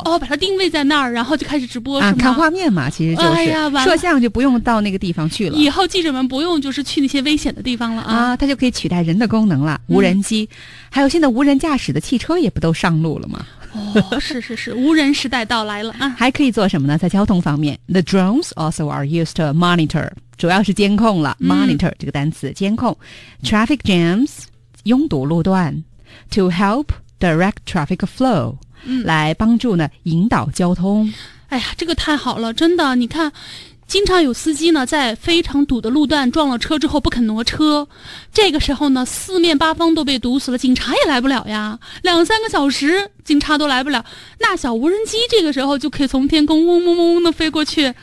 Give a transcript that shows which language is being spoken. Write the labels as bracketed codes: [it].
[zh] 哦，把它定位在那儿，然后就开始直播是吗？看画面嘛，其实就是。哎呀，摄像就不用到那个地方去了。以后记者们不用就是去那些危险的地方了啊。它就可以取代人的功能了，无人机。还有现在无人驾驶的汽车也不都上路了吗？哦，是是是，无人时代到来了啊。还可以做什么呢？在交通方面 ， [en] the drones also are used to monitor， [zh] 主要是监控了。 monitor 这个单词，监控 [en] traffic jams [zh] 拥堵路段 ， [en] to help direct traffic flow。 [zh] 来帮助呢引导交通。哎呀，这个太好了，真的。你看，经常有司机呢在非常堵的路段撞了车之后不肯挪车，这个时候呢四面八方都被堵死了，警察也来不了呀，两三个小时警察都来不了，那小无人机这个时候就可以从天空嗡嗡嗡嗡的飞过去。